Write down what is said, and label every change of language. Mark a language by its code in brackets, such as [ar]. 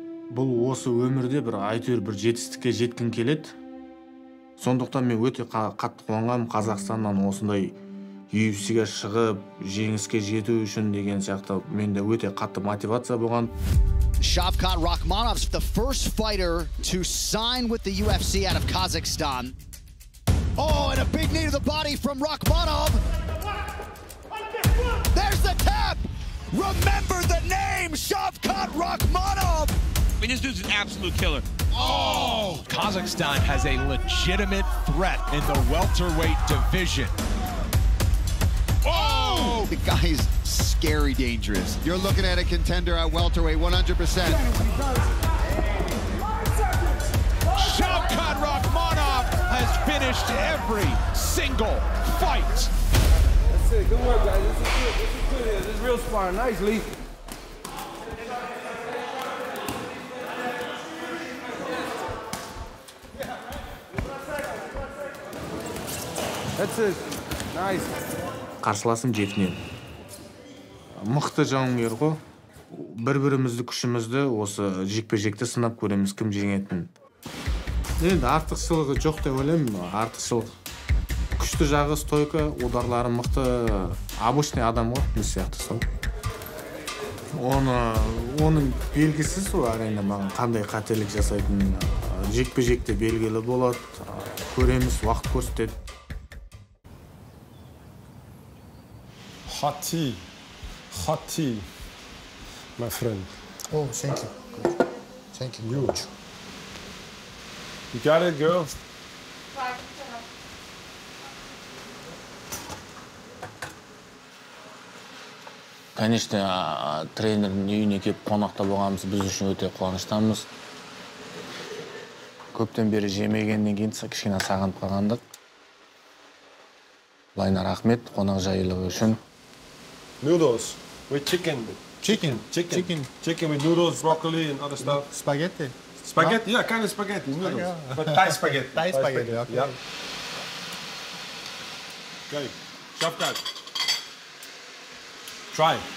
[kk] Бұл осы өмірде бір айтыр бір жетістікке жеткін келет. Сондықтан мен өте қатты қуанғам Қазақстаннан осындай UFC-ге шығып, жеңіске жету үшін деген сияқты менде өте қатты мотивация болған. [en] Шавкат Рахмонов, the first fighter to sign with the UFC out of Kazakhstan. Oh, and a big knee to the body from Rakhmonov. There's the tap. Remember the name Шавкат Рахмонов. I mean, this dude's an absolute killer. Oh! Kazakhstan has a legitimate threat in the welterweight division. Oh! The guy is scary dangerous. You're looking at a contender at welterweight, 100%. Shavkat Rakhmonov has finished every single fight. That's it. Good work, guys. This is good. This is real sparring. Nicely. That's it. Nice. [kk] Қарсыласым Geoff Neal. Мықты жауынгер ғой. Бір-бірімізді күшімізді осы жекпе-жекте сынап көреміз, кім жеңетін. Енді артықшылығы жоқ деп ойлаймын, артықшылық. Күшті жағы стойка, ударлары мықты. Обычный адам ғой, біз сияқты сол. Оның белгісі сол арена маған қандай қателік жасайтынын. Жекпе-жекте белгілі болады. Көреміз, уақыт көрсетеді. [en] Hot tea. Hot tea, my friend. Oh, thank you. Good. Thank you. Huge. You got it, girl? [kk] Конечно, тренер үйіне кеп қонақта болғанымыз біз үшін өте қуаныштамыз. Көптен бері жемегеннен кейін кішкене сағынып қалғандық. Лайна, рахмет қонақ жайлығы үшін. [en] Noodles with chicken. Chicken? Chicken. Chicken with noodles, broccoli and other stuff. Spaghetti? Spaghetti? Huh? Yeah, kind of spaghetti, noodles. Yeah. But Thai spaghetti. Thai spaghetti, okay. Yeah. Okay, Shavkat. Try.